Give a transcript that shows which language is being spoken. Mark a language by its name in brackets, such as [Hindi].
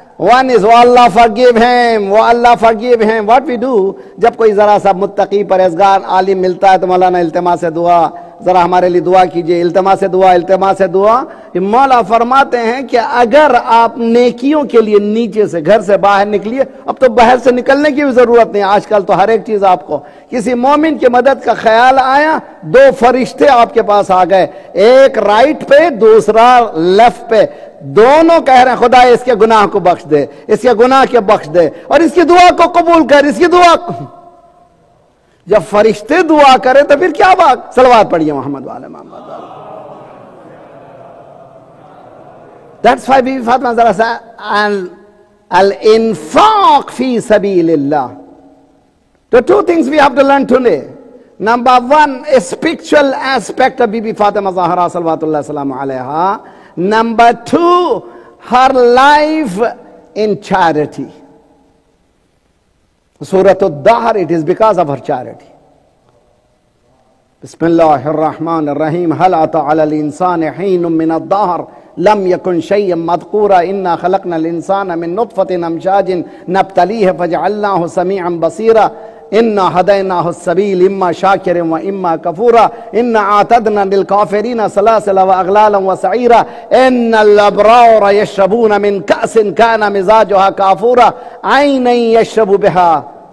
[English] One is, oh Allah forgive him, oh Allah forgive him. What we do? [Urdu] جب کوئی ذرا سا متقی پر ازگار عالم ملتا ہے تو مولانا التماس سے دعا, ذرا ہمارے لیے دعا کیجئے, التماس دعا, التماس دعا. مولا فرماتے ہیں کہ اگر آپ نیکیوں کے لیے نیچے سے گھر سے باہر نکلیے, اب تو باہر سے نکلنے کی بھی ضرورت نہیں, آج کل تو ہر ایک چیز آپ کو, کسی مومن کی مدد کا خیال آیا, دو فرشتے آپ کے پاس آ گئے, ایک رائٹ پہ دوسرا لیفٹ پہ, دونوں کہہ رہے ہیں خدا اس کے گناہ کو بخش دے, اس کے گناہ کے بخش دے, اور اس کی دعا کو قبول کر, اس کی دعا کو. جب فرشتے دعا کرے تو پھر کیا بات, سلوات پڑھیے محمد والے محمد والے. [English] That's why Bibi Bibi Fatima Zahra الانفاق فی سبیل اللہ. The two things we have to learn today. Number one, a spiritual aspect of Bibi Bibi Fatima Zahra صلوات اللہ السلام علیہا. Number two, her life in charity. Surah Ad-Dahr, it is because of her charity. [Arabic] بسم اللہ الرحمن الرحیم. هل اتى على الانسان حين من الدهر لم يكن شيئا مذكورا انا خلقنا الانسان من نطفه امشاج نبتليه فجعلناه سميعا بصيرا انا هديناه السبيل اما شاكرا واما كفورا انا اعتدنا للكافرين سلاسل واغلالا وسعيرا ان الابرار يشربون من كاس كان مزاجها كافورا عينا يشرب بها